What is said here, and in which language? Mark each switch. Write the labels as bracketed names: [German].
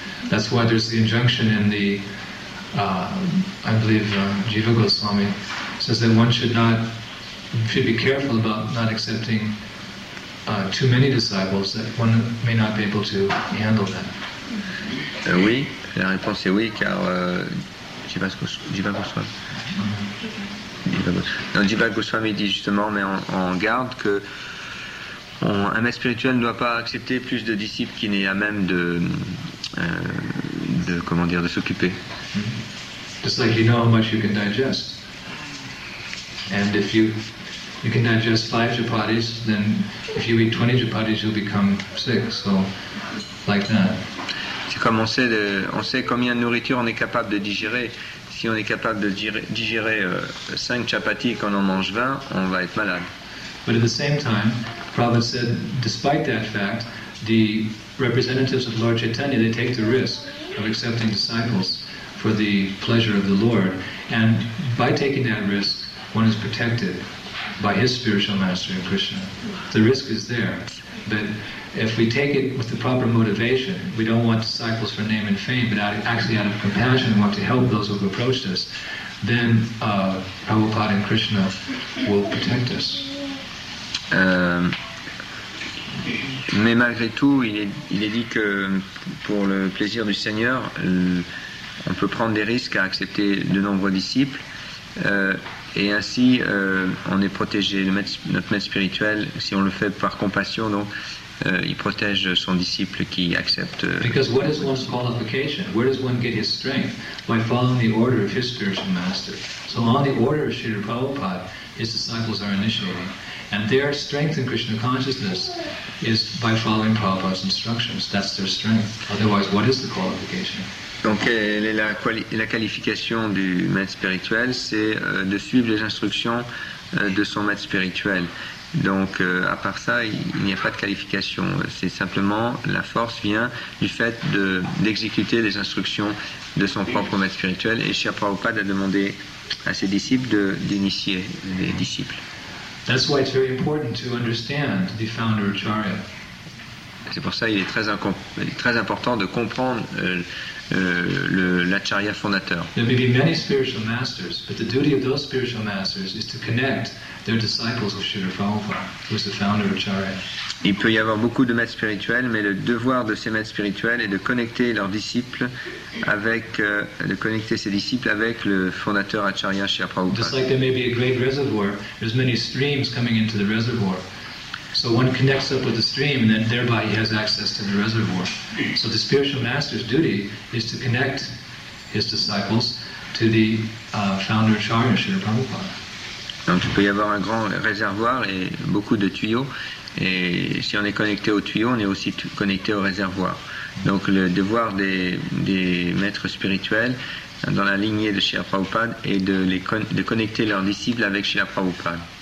[English] That's why there's the injunction in the, Jiva Goswami says that one should be careful about not accepting too many disciples, that one may not be able to handle them. [French] Oui, Et la réponse est oui, car Jiva Goswami dit justement, mais on garde que un maître spirituel ne doit pas accepter plus de disciples qu'il n'est à même de s'occuper. [English] Just like you know how much you can digest, and if you can digest 5 chapatis, then if you eat 20 chapatis, you'll become sick. So, like that. [French] C'est comme on sait combien de nourriture on est capable de digérer. Si on est capable de digérer 5 chapatis et qu'on en mange 20, on va être malade. [English] But at the same time, Prabhupada said, despite that fact, the representatives of Lord Chaitanya, they take the risk of accepting disciples for the pleasure of the Lord. And by taking that risk, one is protected by his spiritual master in Krishna. The risk is there. But if we take it with the proper motivation, we don't want disciples for name and fame, but out of compassion, we want to help those who have approached us, then Prabhupada and Krishna will protect us. [French] Mais malgré tout, il est dit que pour le plaisir du Seigneur, on peut prendre des risques à accepter de nombreux disciples, et ainsi on est protégé. Notre maître spirituel, si on le fait par compassion, donc il protège son disciple qui accepte. [English] Because what is one's qualification? Where does one get his strength? By following the order of his spiritual master. So on the order of Srila Prabhupada, his disciples are initiated. And their strength in Krishna consciousness is by following Prabhupada's instructions. That's their strength. Otherwise, what is the qualification? [French] Donc, quelle est la qualification du maître spirituel? C'est de suivre les instructions de son maître spirituel. Donc, à part ça, il n'y a pas de qualification. C'est simplement la force vient du fait d'exécuter les instructions de son propre maître spirituel. Et Srila Prabhupada a demandé à ses disciples d'initier les disciples. [English] That's why it's very important to understand the founder Acharya. [French] C'est pour ça qu'il est très important de comprendre l'Acharya fondateur. [English] There may be many spiritual masters, but the duty of those spiritual masters is to connect their disciples with Srila Prabhupada, who is the founder Acharya. [French] Il peut y avoir beaucoup de maîtres spirituels, mais le devoir de ces maîtres spirituels est de connecter leurs disciples avec le fondateur Acharya Srila Prabhupada. [English] Just like there may be a great reservoir, there's many streams coming into the reservoir. So one connects up with the stream and then thereby he has access to the reservoir. So the spiritual master's duty is to connect his disciples to the founder Acharya Srila Prabhupada. [French] Donc il peut y avoir un grand réservoir et beaucoup de tuyaux. Et si on est connecté au tuyau, on est aussi connecté au réservoir. Donc le devoir des maîtres spirituels dans la lignée de Srila Prabhupada est de connecter leurs disciples avec Srila Prabhupada.